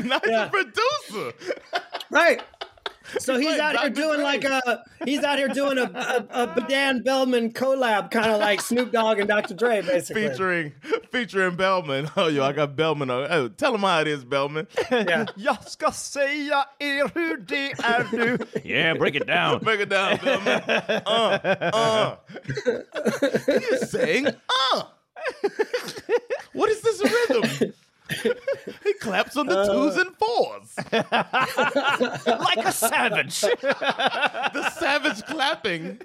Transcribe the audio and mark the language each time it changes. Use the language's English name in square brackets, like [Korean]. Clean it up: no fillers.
[English] Nice producer. Right. So he's out here doing like a Badam Bellman collab, kind of like Snoop Dogg and Dr. Dre, basically. Featuring Bellman. Oh, yo, I got Bellman. Oh, tell him how it is, Bellman. [Swedish] Jag ska säga er hur det är nu. [English] Yeah, break it down. Break it down, Bellman. He's saying, What is this rhythm? He claps on the twos and fours. Like a savage. The savage clapping.